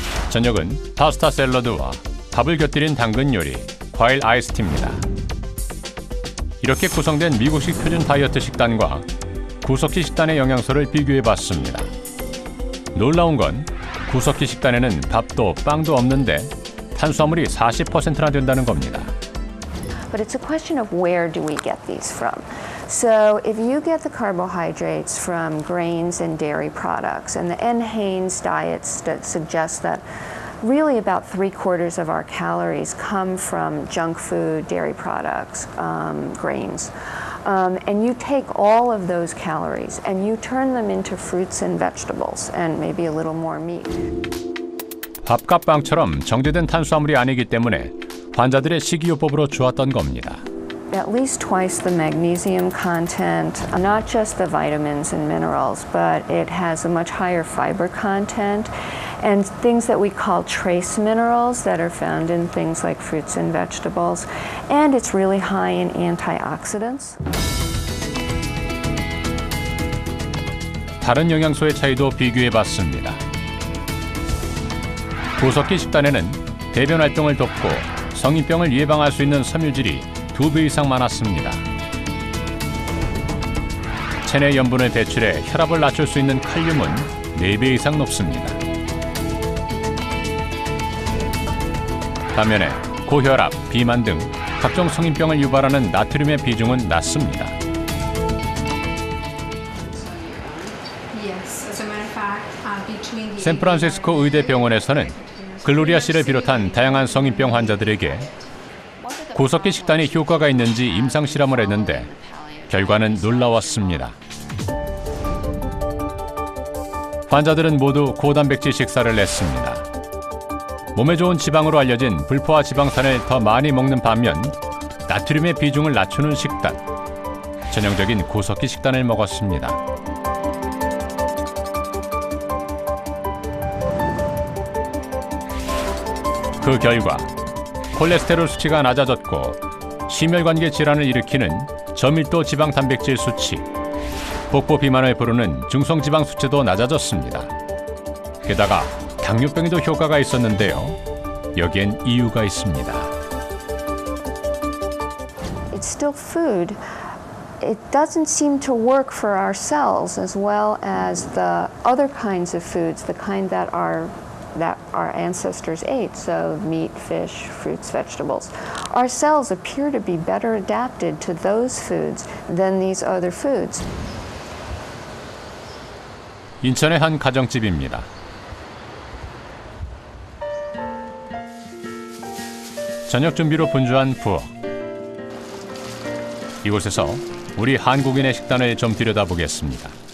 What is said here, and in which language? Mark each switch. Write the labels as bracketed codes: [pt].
[ko] 저녁은 파스타 샐러드와 밥을 곁들인 당근 요리, 과일 아이스티입니다. 이렇게 구성된 미국식 표준 다이어트 식단과 구석기 식단의 영양소를 비교해봤습니다. 놀라운 건 구석기 식단에는 밥도 빵도 없는데 탄수화물이 40%나 된다는 겁니다. [en] But it's a question of where do we get these from? So if you get the carbohydrates from grains and dairy products, and the NHANES diets that suggest that really about 3/4 of our calories come from junk food, dairy products, grains. And you take all of those calories and you turn them into fruits and vegetables and maybe a little more meat. [ko] 밥과 빵처럼 정제된 탄수화물이 아니기 때문에 환자들의 식이요법으로 좋았던 겁니다. [en] at least twice the magnesium content, not just the vitamins and minerals, but it has a much higher fiber content, and things that we call trace minerals that are found in things like fruits and vegetables, and it's really high in antioxidants. [ko] 다른 영양소의 차이도 비교해 봤습니다. 보석기 식단에는 대변 활동을 돕고 성인병을 예방할 수 있는 섬유질이 두 배 이상 많았습니다. 체내 염분을 배출해 혈압을 낮출 수 있는 칼륨은 네 배 이상 높습니다. 반면에 고혈압, 비만 등 각종 성인병을 유발하는 나트륨의 비중은 낮습니다. [en] Yes, as a matter of fact, between the [ko] 샌프란시스코 의대 병원에서는 글로리아 씨를 비롯한 다양한 성인병 환자들에게 고석기 식단이 효과가 있는지 임상 실험을 했는데 결과는 놀라웠습니다. 환자들은 모두 고단백질 식사를 했습니다. 몸에 좋은 지방으로 알려진 불포화 지방산을 더 많이 먹는 반면 나트륨의 비중을 낮추는 식단, 전형적인 고석기 식단을 먹었습니다. 그 결과 콜레스테롤 수치가 낮아졌고 심혈관계 질환을 일으키는 저밀도 지방단백질 수치, 복부 비만을 부르는 중성지방 수치도 낮아졌습니다. 게다가 당뇨병에도 효과가 있었는데요. 여기엔 이유가 있습니다. [en] It's still food. It doesn't seem to work for our cells as well as the other kinds of foods, the kind that are that our ancestors ate, so meat, fish, fruits, vegetables. Our cells appear to be better adapted to those foods than these other foods. [ko] 인천의 한 가정집입니다. 저녁 준비로 분주한 부엌. 이곳에서 우리 한국인의 식단을 좀 들여다보겠습니다.